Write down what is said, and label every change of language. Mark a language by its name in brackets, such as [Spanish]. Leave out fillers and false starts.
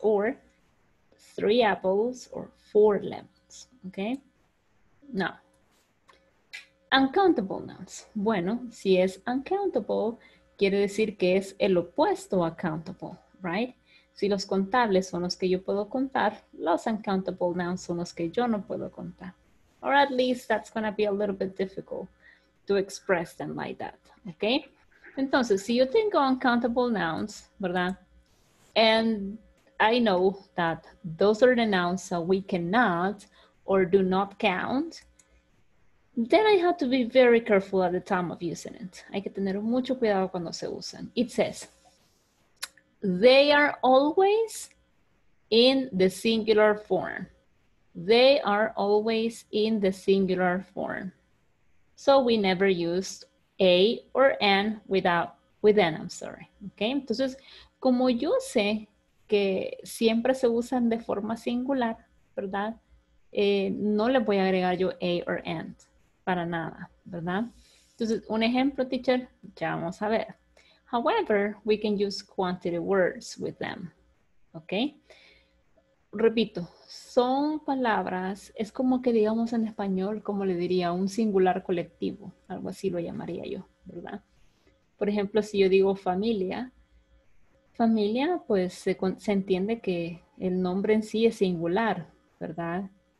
[English] Or three apples or four lemons, ¿ok? No. Uncountable nouns. [Spanish] Bueno, si es uncountable, quiere decir que es el opuesto a countable, right? Si los contables son los que yo puedo contar, los uncountable nouns son los que yo no puedo contar. [English] Or at least that's going to be a little bit difficult to express them like that, okay? [Spanish] Entonces, si yo tengo uncountable nouns, ¿verdad? [English] And I know that those are the nouns that we cannot or do not count, then I have to be very careful at the time of using it. [Spanish] Hay que tener mucho cuidado cuando se usan. [English] It says, they are always in the singular form. They are always in the singular form. So we never use a or an with an, I'm sorry. [Spanish] Okay, entonces, como yo sé que siempre se usan de forma singular, ¿verdad? No le voy a agregar yo a or an. Para nada, ¿verdad? Entonces, un ejemplo, teacher, ya vamos a ver. [English] However, we can use quantity words with them, ¿ok? [Spanish] Repito, son palabras, es como que digamos en español, como le diría, un singular colectivo, algo así lo llamaría yo, ¿verdad? Por ejemplo, si yo digo familia, familia, pues se entiende que el nombre en sí es singular, ¿verdad?